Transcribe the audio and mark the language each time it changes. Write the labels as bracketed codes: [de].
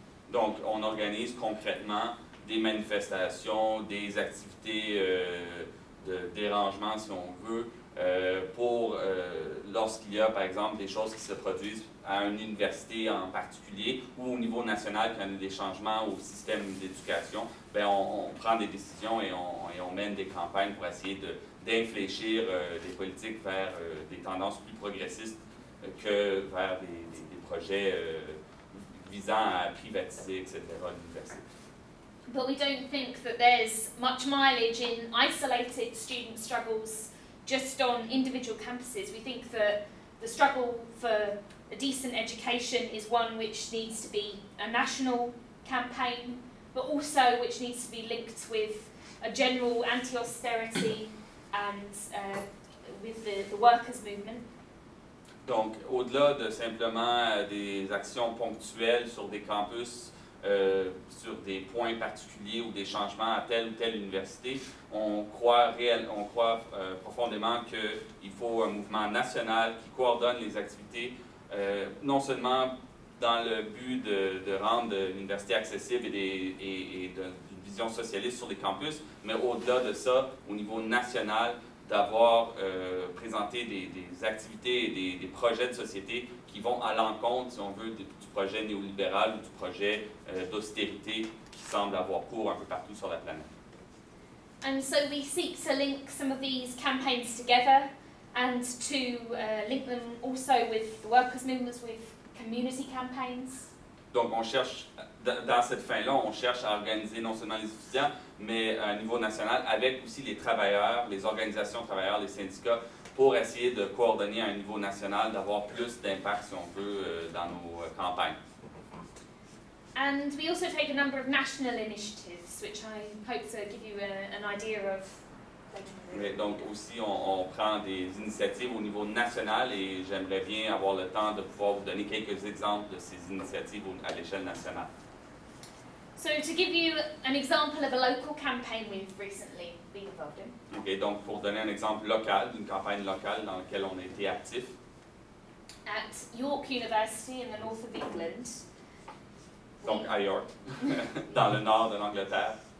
[fr] Donc, on organise concrètement des manifestations, des activités de dérangement, si on veut, pour lorsqu'il y a, par exemple, des choses qui se produisent à une université en particulier ou au niveau national, quand il y a des changements au système d'éducation, bien, on prend des décisions et on mène des campagnes pour essayer d'infléchir des politiques vers des tendances plus progressistes que vers des projets visant à privatiser, etc., l'université. [en] But we don't think that there's much mileage in isolated student struggles just on individual campuses. We think that the struggle for a decent education is one which needs to be a national campaign, but also which needs to be linked with a general anti-austerity and with the workers' movement. [fr] Donc, au-delà de simplement des actions ponctuelles sur des campus, sur des points particuliers ou des changements à telle ou telle université, on croit profondément qu'il faut un mouvement national qui coordonne les activités, non seulement dans le but de rendre l'université accessible et d'une vision socialiste sur les campus, mais au-delà de ça, au niveau national, d'avoir présenté des activités et des projets de société qui vont à l'encontre, si on veut, du projet néolibéral ou du projet d'austérité qui semble avoir cours un peu partout sur la planète. [en] And so we seek to link some of these campaigns together and to link them also with the workers' movements, with community campaigns. [fr] Donc on cherche, dans cette fin-là, on cherche à organiser non seulement les étudiants, mais à un niveau national, avec aussi les travailleurs, les organisations travailleurs, les syndicats, pour essayer de coordonner à un niveau national, d'avoir plus d'impact, si on veut, dans nos campagnes. [en] And we also take a number of national initiatives, which I hope to give you an idea of. [fr] Mais donc aussi, on prend des initiatives au niveau national et j'aimerais bien avoir le temps de pouvoir vous donner quelques exemples de ces initiatives à l'échelle nationale. [en] So to give you an example of a local campaign we've recently been involved in. [fr] OK, donc pour donner un exemple local, d'une campagne locale dans laquelle on a été actif. [en] At York University in the north of England. [fr] Donc à York, dans le nord de l'Angleterre.